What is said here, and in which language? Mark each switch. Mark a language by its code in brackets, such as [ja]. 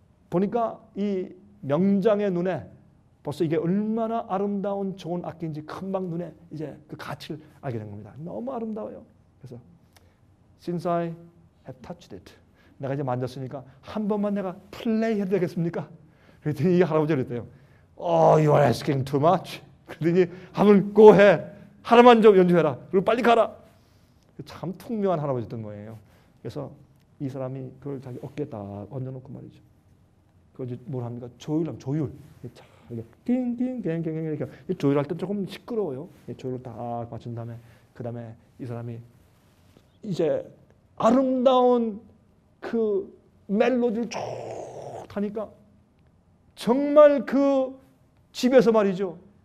[ko] 보니까 이 명장의 눈에 벌써 이게 얼마나 아름다운 좋은 악기인지 금방 눈에 이제 그 가치를 알게 된 겁니다. 너무 아름다워요. 그래서 [en] Since I have touched it, [ko] 내가 이제 만졌으니까 한 번만 내가 플레이 해도 되겠습니까? 그랬더니 이 할아버지 그랬대요. [en] Oh, you are asking too much. [ko] 그랬더니 한번 go 해. 하나만 좀 연주해라. 그리고 빨리 가라. 참 퉁명한 할아버지였던 거예요. 그래서 이 사람이 그걸 자기 어깨에다 얹어놓고 말이죠. 그걸 이제 뭘 합니까? 조율하면 조율. 이렇게 띵띵띵띵 이렇게 조율할 때 조금 시끄러워요. 조율을 다 맞춘 다음에 그 다음에 이 사람이 이제 아름다운 그 멜로디를 쭉 타니까 정말 그 집에서 말이죠.